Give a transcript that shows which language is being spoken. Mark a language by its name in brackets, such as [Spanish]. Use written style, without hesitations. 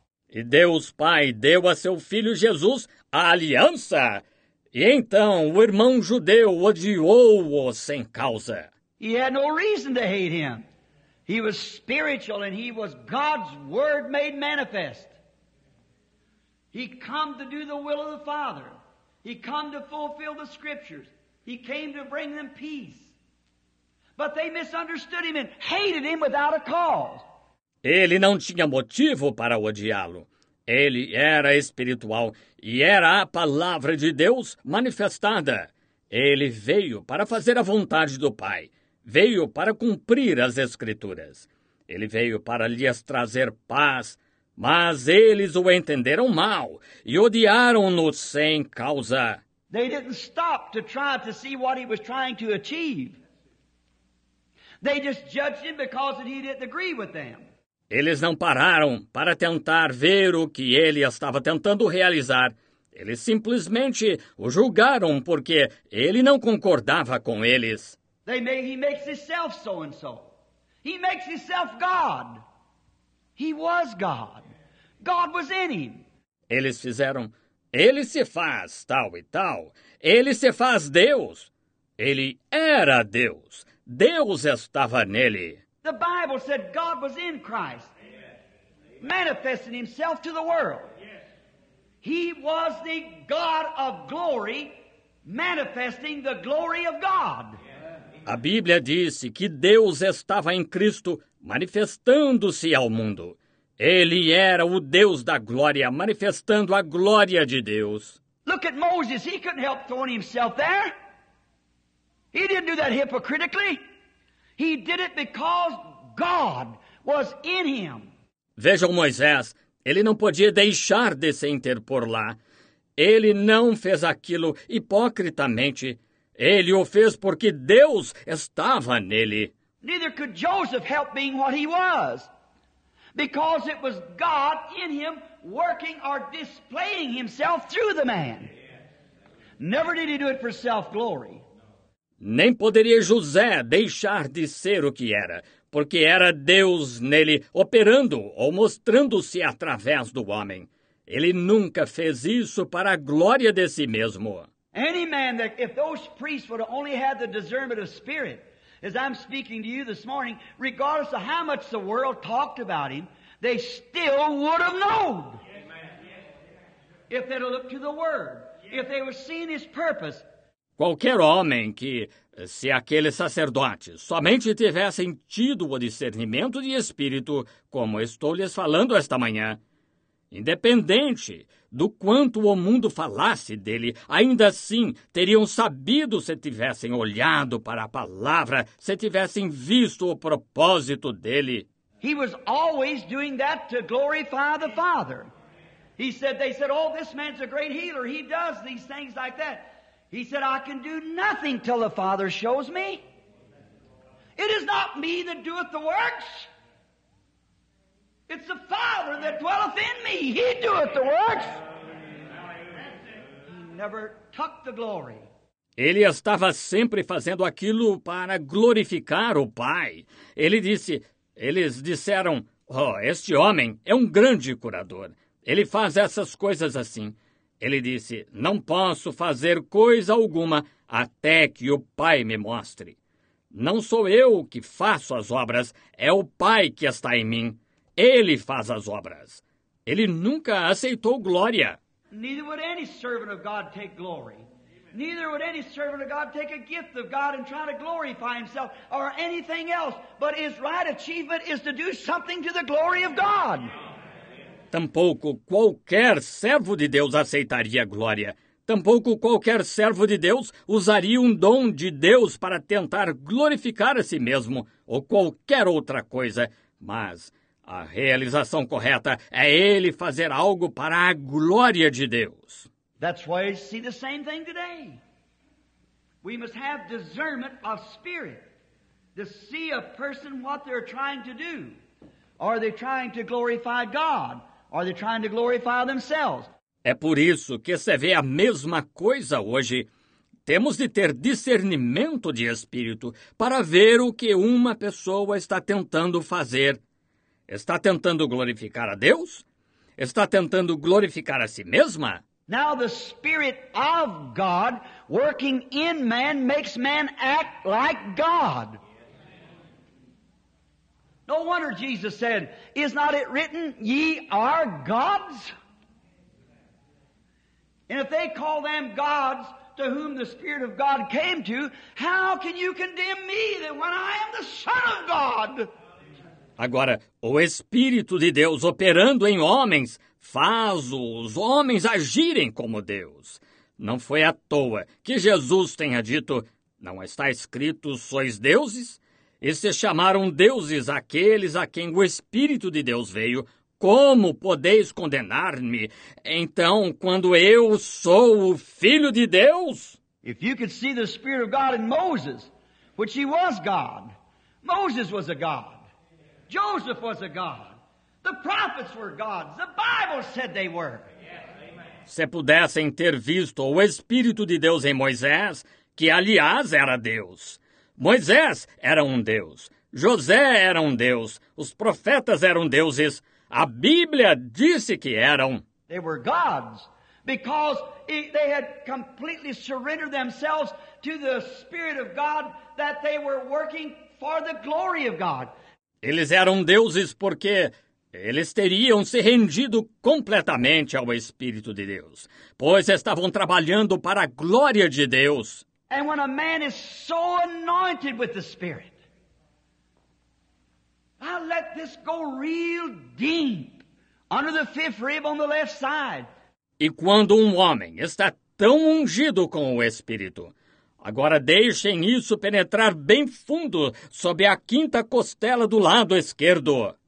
[Portuguese] E Deus Pai deu a seu filho Jesus a aliança. E então, o irmão judeu odiou-o sem causa. [English] He had no reason to hate him. He was spiritual and he was God's word made manifest. He came to do the will of the Father. He came to fulfill the scriptures. He came to bring them peace. But they misunderstood him and hated him without a cause. [Portuguese] Ele não tinha motivo para odiá-lo. Ele era espiritual e era a palavra de Deus manifestada. Ele veio para fazer a vontade do Pai. Veio para cumprir as Escrituras. Ele veio para lhes trazer paz, mas eles o entenderam mal e odiaram-no sem causa. [English] They didn't stop to try to see what he was trying to achieve. They just judged him because he didn't agree with them. [Portuguese] Eles não pararam para tentar ver o que ele estava tentando realizar. Eles simplesmente o julgaram porque ele não concordava com eles. [English] He makes himself so and so. He makes himself God. He was God. God was in him. [Portuguese] Eles fizeram, ele se faz tal e tal. Ele se faz Deus. Ele era Deus. Deus estava nele. [English] The Bible said God was in Christ, manifesting himself to the world. He was the God of glory, manifesting the glory of God. [Portuguese] A Bíblia disse que Deus estava em Cristo, manifestando-se ao mundo. Ele era o Deus da glória, manifestando a glória de Deus. [English] Look at Moses. He couldn't help throwing himself there. He didn't do that hypocritically. He did it because God was in him. [Portuguese] Veja o Moisés. Ele não podia deixar de se interpor lá. Ele não fez aquilo hipocritamente. Ele o fez porque Deus estava nele. [English] Neither could Joseph help being what he was, because it was God in him working or displaying himself through the man. Never did he do it for self-glory. [Portuguese] Nem poderia José deixar de ser o que era, porque era Deus nele operando ou mostrando-se através do homem. Ele nunca fez isso para a glória de si mesmo. [English] Any man that, if those priests would have only had the discernment of spirit, as I'm speaking to you this morning, regardless of how much the world talked about him, they still would have known. Yes, if they'd have looked to the Word, yes. If they were seeing his purpose. [Portuguese] Qualquer homem que, se aqueles sacerdotes somente tivessem tido o discernimento de espírito, como estou lhes falando esta manhã, independente do quanto o mundo falasse dele, ainda assim teriam sabido se tivessem olhado para a palavra, se tivessem visto o propósito dele. [English] He was always doing that to glorify the Father. He said, they said, oh, this man's a great healer. He does these things like that. He said, I can do nothing till the Father shows me. It is not me that doeth the works. It's the Father that dwelleth in me. He doeth the works. He never took the glory. [Portuguese] Ele estava sempre fazendo aquilo para glorificar o Pai. Ele disse, eles disseram, oh, este homem é um grande curador. Ele faz essas coisas assim. Ele disse, não posso fazer coisa alguma até que o Pai me mostre. Não sou eu que faço as obras, é o Pai que está em mim. Ele faz as obras. Ele nunca aceitou glória. [English] Neither would any servant of God take glory. Neither would any servant of God take a gift of God and try to glorify himself or anything else. But his right achievement is to do something to the glory of God. [Portuguese] Tampouco qualquer servo de Deus aceitaria glória. Tampouco qualquer servo de Deus usaria um dom de Deus para tentar glorificar a si mesmo ou qualquer outra coisa. Mas a realização correta é ele fazer algo para a glória de Deus. [English] That's why you see the same thing today. We must have discernment of spirit to see a person what they're trying to do. Are they trying to glorify God? Are they trying to glorify themselves? [Portuguese] É por isso que se vê a mesma coisa hoje. Temos de ter discernimento de espírito para ver o que uma pessoa está tentando fazer. Está tentando glorificar a Deus? Está tentando glorificar a si mesma? [English] Now the Spirit of God working in man makes man act like God. No wonder Jesus said, is not it written, ye are gods? And if they call them gods to whom the Spirit of God came to, how can you condemn me that when I am the Son of God? [Portuguese] Agora, o Espírito de Deus operando em homens faz os homens agirem como Deus. Não foi à toa que Jesus tenha dito, não está escrito, sois deuses? E se chamaram deuses aqueles a quem o Espírito de Deus veio, como podeis condenar-me, então, quando eu sou o Filho de Deus? [English] If you could see the Spirit of God in Moses, which he was God, Moses was a God, Joseph was a God, the prophets were gods, the Bible said they were. [Portuguese] Se pudessem ter visto o Espírito de Deus em Moisés, que aliás era Deus, Moisés era um Deus, José era um Deus, os profetas eram deuses, a Bíblia disse que eram. [English] They were gods because they had completely surrendered themselves to the Spirit of God, that they were working for the glory of God. [Portuguese] Eles eram deuses porque eles teriam se rendido completamente ao Espírito de Deus, pois estavam trabalhando para a glória de Deus. [English] And when a man is so anointed with the Spirit, I let this go real deep under the fifth rib on the left side. [Portuguese] E quando um homem está tão ungido com o Espírito. Agora deixem isso penetrar bem fundo sob a quinta costela do lado esquerdo.